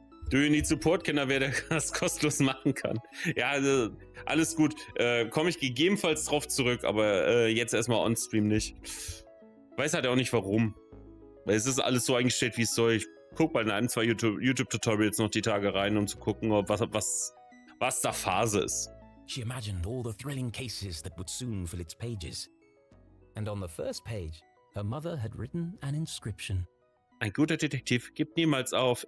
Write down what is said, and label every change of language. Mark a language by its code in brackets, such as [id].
[en] Do you need support, [de] Kinder, wer das kostenlos machen kann? Ja, also, alles gut. Komme ich gegebenenfalls drauf zurück, aber jetzt erstmal on-stream nicht. Weiß halt auch nicht, warum. Weil es ist alles so eingestellt, wie es soll. Ich guck mal in ein, zwei YouTube-Tutorials noch die Tage rein, um zu gucken, ob was da Phase ist. [en] She imagined all the thrilling cases that would soon fill its pages. And on the first page, her mother had written an inscription. [de] Ein guter Detektiv gibt niemals auf.